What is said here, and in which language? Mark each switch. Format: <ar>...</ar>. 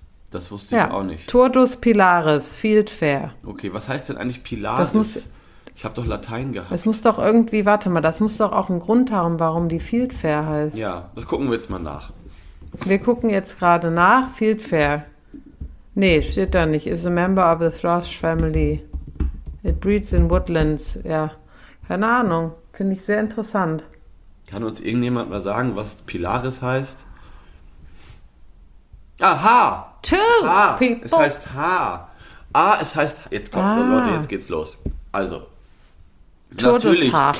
<de>Das wusste ich auch nicht. Turdus Pilaris, Field Fair. Okay, was heißt denn eigentlich Pilaris? Das muss, ich habe doch Latein gehabt. Es muss doch irgendwie, warte mal, das muss doch auch einen Grund haben, warum die Field Fair heißt. Ja, das gucken wir jetzt mal nach. Wir gucken jetzt gerade nach. Field Fair. Nee, steht da nicht.</de> <en>Is a member of the Thrush family. It breeds in woodlands, ja.</en> <de>Keine Ahnung, finde ich sehr interessant. Kann uns irgendjemand mal sagen, was Pilaris heißt? Aha!</de> <en>Two people!</en> <de>Es heißt H. Ah, es heißt, jetzt kommt, Leute, jetzt geht's los. Also, natürlich.</de>